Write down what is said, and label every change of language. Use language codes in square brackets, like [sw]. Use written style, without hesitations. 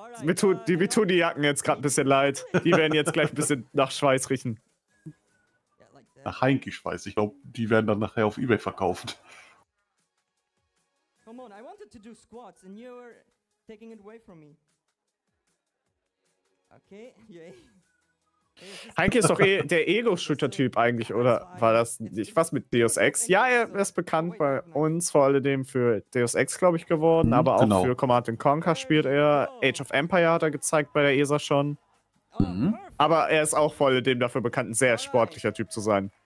[de] Mir tun die Jacken jetzt gerade ein bisschen leid. Die werden jetzt gleich ein bisschen nach Schweiß riechen. Nach Heinki-Schweiß. Ich glaube, die werden dann nachher auf eBay verkauft. [en] Come on, I wanted to do squats and you were taking it away from me. Okay, yay. [de] Heinki ist doch der Ego-Shooter-Typ eigentlich, oder war das nicht was mit Deus Ex? Ja, er ist bekannt bei uns vor allem für Deus Ex, glaube ich, geworden, aber auch genau. Für Command & Conquer spielt er. Age of Empire hat er gezeigt bei der ESA schon. Aber er ist auch voll dem dafür bekannt, ein sehr sportlicher Typ zu sein.